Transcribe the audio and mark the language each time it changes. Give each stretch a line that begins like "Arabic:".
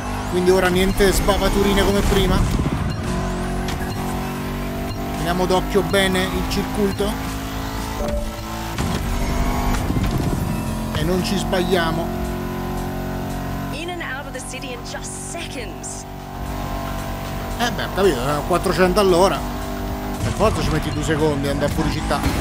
Italian: Quindi ora niente sbavaturine come prima. In teniamo d'occhio bene il circuito e non ci sbagliamo.
English: In and out of the city in just seconds.
Italian: Beh, ho capito, 400 all'ora. Per forza ci metti 2 secondi a andare fuori città.